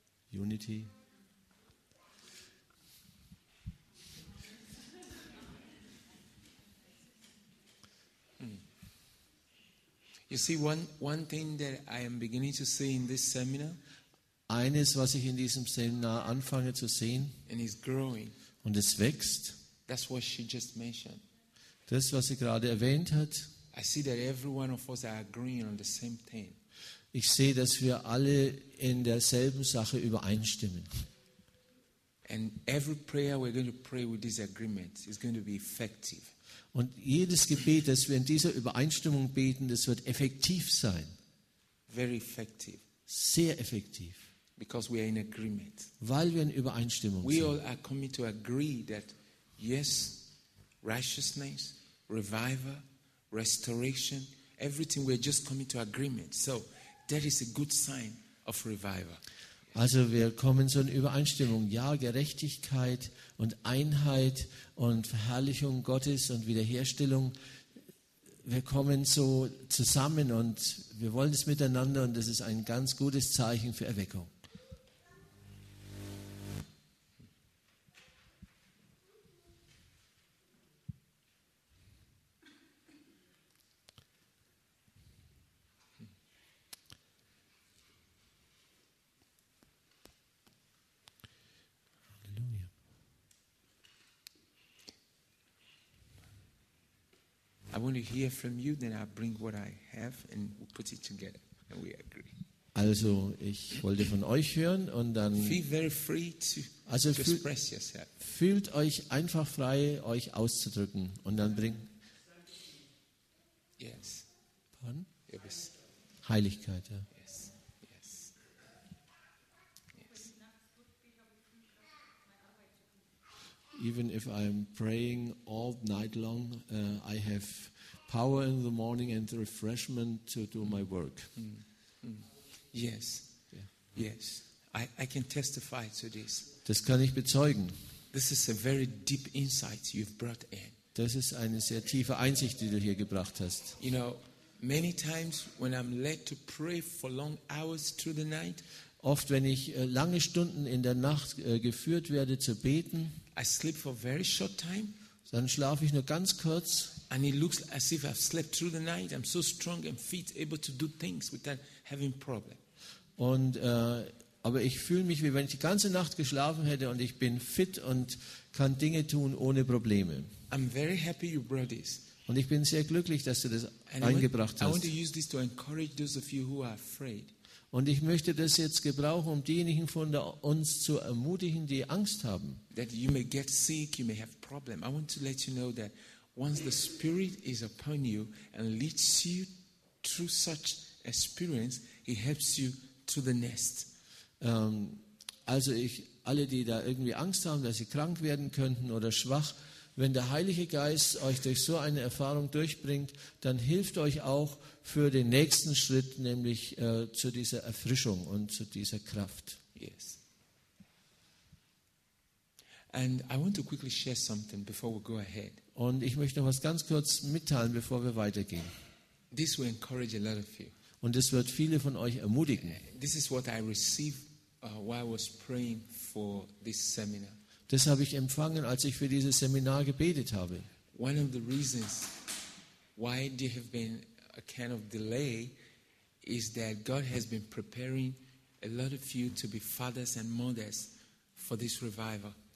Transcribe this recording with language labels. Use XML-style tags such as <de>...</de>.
<en>Unity. You see, one thing that I am beginning to see in this seminar.</en> <de>Eines, was ich in diesem Seminar anfange zu sehen.</de> <en>And it's growing.</en> <de>Und es wächst.</de> <en>That's what she just mentioned.</en> <de>Das, was sie gerade erwähnt hat.</de> <en>I see that every one of us are agreeing on the same thing.</en> <de>Ich sehe, dass wir alle in derselben Sache übereinstimmen.</de> <en>And every prayer we're going to pray with this agreement is going to be effective.</en> <de>Und jedes Gebet, das wir in dieser Übereinstimmung beten, das wird effektiv sein.</de> <en>Very effective.</en> <de>Sehr effektiv.</de> <en>Because we are in agreement.</en> <de>Weil wir in Übereinstimmung</de> <en>we</en> <de>sind.</de> <en>We all are coming to agree that yes, righteousness, revival, restoration, everything we're just coming to agreement. So that is a good sign of revival.</en> <de>Also wir kommen zu einer Übereinstimmung. Ja, Gerechtigkeit und Einheit und Verherrlichung Gottes und Wiederherstellung. Wir kommen so zusammen und wir wollen es miteinander und das ist ein ganz gutes Zeichen für Erweckung.</de> <en>I want to hear from you, then I bring what I have and we'll put it together and we agree.</en> <de>Also, ich wollte von euch hören und dann.</de> <en>Feel very free to express yourself.</en> <de>Fühlt euch einfach frei, euch auszudrücken und dann bringt.</de> <en>Yes. Pardon? Yes.</en> <de>Heiligkeit, ja.</de> <en>Yes. Yes. Yes. Even if I'm praying all night long, I have power in the morning and the refreshment to do my work. Yes. Yeah. Yes. I can testify to this.</en> <de>Das kann ich bezeugen.</de> <en>This is a very deep insight you've brought in.</en> <de>Das ist eine sehr tiefe Einsicht, die du hier gebracht hast.</de> <en>You know, many times when I'm led to pray for long hours through the night,</en> <de>oft wenn ich lange Stunden in der Nacht geführt werde zu beten,</de> <en>I sleep for very short time,</en> <de>dann schlafe ich nur ganz kurz.</de> <en>And it looks as if I've slept through the night. I'm so strong and fit, able to do things without having problems.</en> <de>Und aber ich fühle mich, wie wenn ich die ganze Nacht geschlafen hätte und ich bin fit und kann Dinge tun ohne Probleme.</de> <en>I'm very happy you brought this.</en> <de>Und ich bin sehr glücklich, dass du das eingebracht hast.</de> <en>I want to use this to encourage those of you who are afraid.</en> <de>Und ich möchte das jetzt gebrauchen, um diejenigen von uns zu ermutigen, die Angst haben.</de> <en>That you may get sick, you may have problems. I want to let you know that once the Spirit is upon you and leads you through such experience, He helps you to the next.</en> <de>Also ich, alle, die da irgendwie Angst haben, dass sie krank werden könnten oder schwach, wenn der Heilige Geist euch durch so eine Erfahrung durchbringt, dann hilft euch auch für den nächsten Schritt, nämlich zu dieser Erfrischung und zu dieser Kraft.</de> <en>Yes. And I want to quickly share something before we go ahead.</en> <de>Und ich möchte noch was ganz kurz mitteilen, bevor wir weitergehen.</de> <en>This will encourage a lot of you.</en> <de>Und es wird viele von euch ermutigen.</de> <en>This is what I received while I was praying for this seminar.</en> <de>Das habe ich empfangen, als ich für dieses Seminar gebetet habe.</de> <en>One of the reasons why there have been a kind of delay is that God has been preparing a lot of you to be fathers and mothers for this revival.</en>